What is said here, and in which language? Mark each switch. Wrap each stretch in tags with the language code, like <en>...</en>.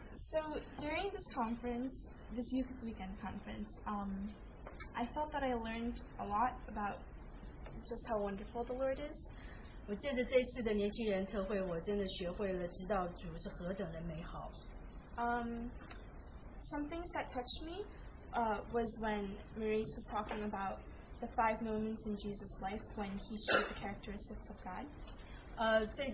<en>So during this conference, this youth weekend conference, I felt that I learned a lot about just how wonderful the Lord is.</en> <zh>我记得这次的年轻人特会，我真的学会了知道主是何等的美好。</zh> <en>Some things that touched me was when Maurice was talking about the five moments in Jesus' life when he showed the characteristics of God.</en>